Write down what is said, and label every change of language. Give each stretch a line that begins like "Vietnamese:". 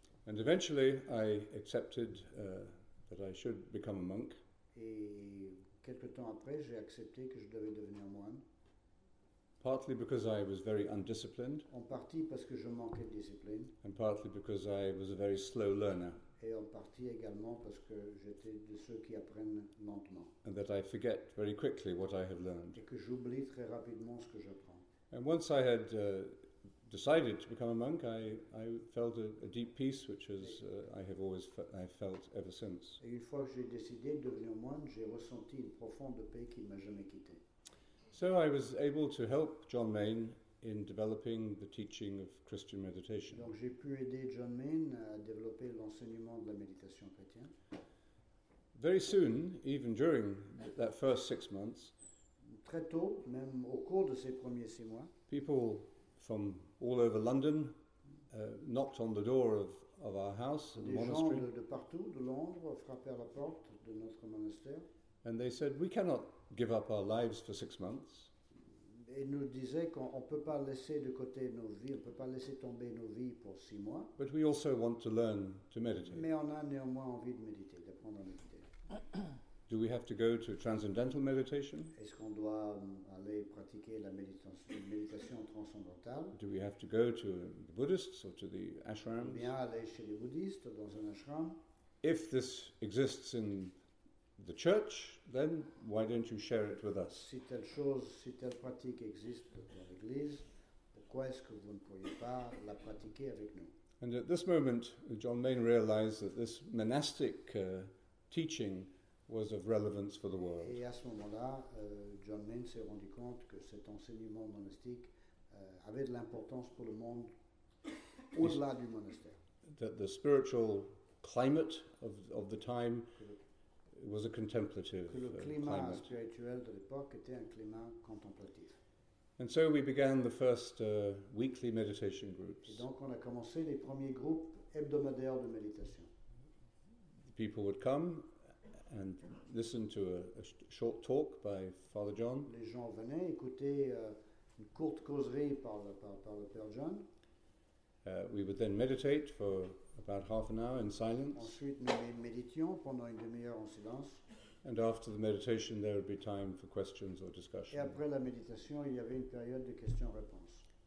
English: And eventually, I accepted that I should become a monk.
French: Et quelque temps après, j'ai accepté que je devais devenir moine.
English: Partly because I was very undisciplined.
French: En partie parce que je manquais de discipline.
English: And partly because I was a very slow learner.
French: Et en partie également parce que j'étais de ceux qui apprennent lentement.
English: And that I forget very quickly what I have learned.
French: Et que j'oublie très rapidement ce que j'apprends.
English: And once I had decided to become a monk, I felt a deep peace, which is I've felt ever since.
French: Et une fois que j'ai décidé de devenir moine, j'ai ressenti une profonde paix qui ne m'a jamais quitté.
English: So I was able to help John Main in developing the teaching of Christian meditation.
French: Donc j'ai pu aider John Main à développer l'enseignement de la méditation chrétienne.
English: Very soon, even during that first 6 months,
French: très tôt, même au cours de ces premiers 6 mois,
English: people from all over London knocked on the door of our house and monastery.
French: Des gens de partout, de Londres, frappaient à la porte de notre monastère.
English: And they said, we cannot give up our lives for 6 months.
French: Et nous disait qu'on peut pas laisser de côté nos vies, on peut pas laisser tomber nos vies pour 6 mois.
English: But we also want to learn to meditate.
French: Mais on a néanmoins envie de méditer, d'apprendre à méditer.
English: Do we have to go to transcendental meditation?
French: Est-ce qu'on doit aller pratiquer la méditation transcendantale?
English: Do we have to go to the Buddhists or to the ashrams?
French: Bien aller chez les bouddhistes dans un ashram.
English: If this exists in the church, then why don't you share it with us?
French: Si telle chose, si telle pratique existe dans l'Église, pourquoi est-ce que vous ne pourriez pas la pratiquer avec nous?
English: And at this moment, John Main realized that this monastic teaching was of relevance for the world.
French: Et à ce moment-là, John Main s'est rendu compte que cet enseignement monastique avait de l'importance pour le monde au-delà du monastère.
English: That the spiritual climate of the time was a contemplative
French: climat spirituel de l'époque était un climat contemplatif.
English: And so we began the first weekly meditation groups.
French: Et donc on a commencé les premiers groupes hebdomadaires de méditation.
English: The people would come and listen to a short talk by Father John.
French: Les gens venaient écouter une courte causerie par le Père John.
English: We would then meditate for about half an hour in silence.
French: Ensuite, nous méditions pendant une demi-heure en silence.
English: And after the meditation, there would be time for questions or discussion.
French: Et après la méditation, il y avait une période de questions-réponses.